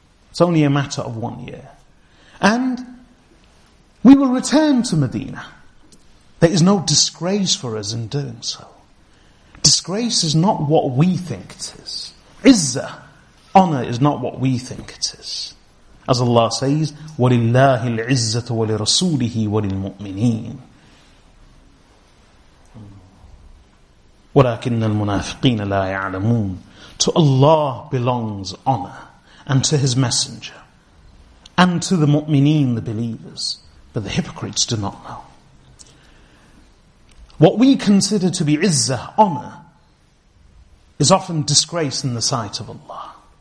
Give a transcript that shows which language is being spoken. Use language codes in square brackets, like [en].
[en] It's only a matter of 1 year. And we will return to Medina. There is no disgrace for us in doing so. Disgrace is not what we think it is. Izzah, honor, is not what we think it is. [ar] As Allah says, وَلِلَّهِ الْعِزَّةُ وَلِرَسُولِهِ وَلِلْمُؤْمِنِينَ وَلَكِنَّ الْمُنَافِقِينَ لَا يَعْلَمُونَ. [en] To Allah belongs honor, and to His Messenger, and to the mu'mineen, the believers, but the hypocrites do not know. What we consider to be izzah, honor, is often disgrace in the sight of Allah.